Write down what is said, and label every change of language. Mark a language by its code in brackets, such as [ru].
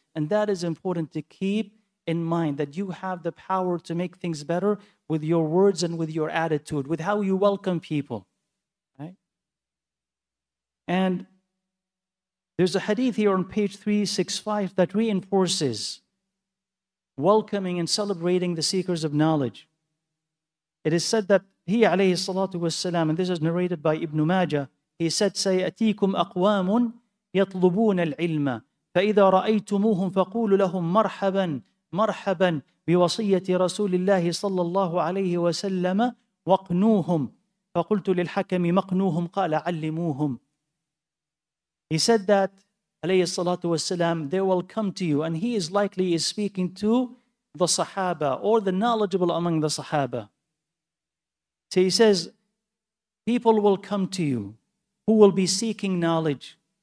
[en] And that is important to keep in mind, that you have the power to make things better with your words and with your attitude, with how you welcome people, right? And there's a hadith here on page 365 that reinforces welcoming and celebrating the seekers of knowledge. It is said that he, alayhi salatu wassalam, and this is narrated by Ibn Majah, he said, [ar] سَيَأْتِيكُمْ أَقْوَامٌ يَطْلُبُونَ الْعِلْمَ فَإِذَا رَأَيْتُمُوهُمْ فَقُولُوا لَهُمْ مَرْحَبًا مَرْحَبًا بِوَصِيَّةِ رَسُولِ اللَّهِ صَلَّى اللَّهُ عَلَيْهِ وَسَلَّمَ وَقْنُوهُمْ فَقُلْتُ لِلْحَكَمِ مَقْنُوهُمْ قَالَ عَلِّمُوهُمْ. [en] He said that, alayhi salatu wassalam, they will come to you, and he is likely is speaking to the Sahaba or the knowledgeable among the Sahaba. So he says, people will come to you who will be seeking knowledge.